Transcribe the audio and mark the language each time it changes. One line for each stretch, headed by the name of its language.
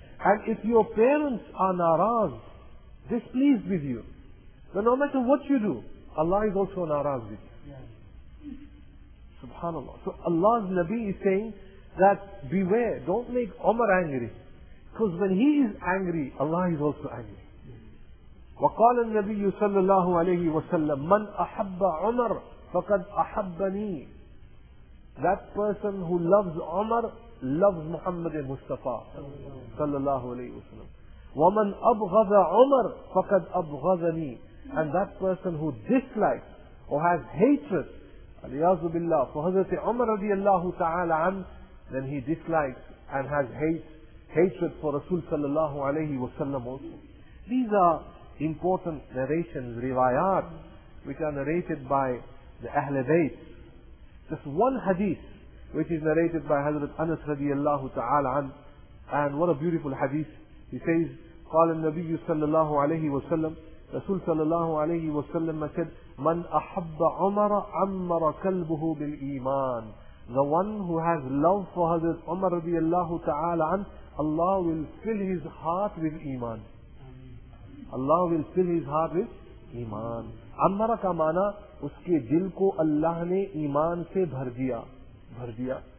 English: And if your parents are naraz, displeased with you, then no matter what you do, Allah is also naraz with you. Yes. SubhanAllah. So Allah's Nabi is saying that beware, don't make Umar angry. Because when he is angry, Allah is also angry.
Arabic: وقال النبي صلى الله عليه وسلم من أحب عمر فقد أحبني.
English: That person who loves عمر loves محمد المصطفى صلى الله عليه وسلم.
Arabic: ومن أبغض عمر فقد أبغضني.
English: And that person who dislikes or has hatred,
Arabic: عياذ بالله,
English: for حضرت عمر رضي الله تعالى عنه, then he dislikes and has hatred for رسول صلى الله عليه وسلم also. These are important narrations, riwayat, which are narrated by the Ahlul Bayt. Just one hadith, which is narrated by Hazrat Anas radiallahu ta'ala an, and what a beautiful hadith.
Arabic: He says, قَالَ النَّبِيُّ صَلَّى اللَّهُ عَلَيْهِ وَسَلَّمْ رَسُول صَلَّى اللَّهُ عَلَيْهِ وَسَلَّمْ said, مَنْ أَحَبَّ عُمَرَ عَمَّرَ كَلْبُهُ بِالْإِيمَانِ.
English: The one who has love for Hazrat Umar radiallahu ta'ala an, Allah will fill his heart with iman. Allah will fill his heart with iman.
Urdu: Ammara ka mana, uske dil ko Allah ne iman se bhar diya.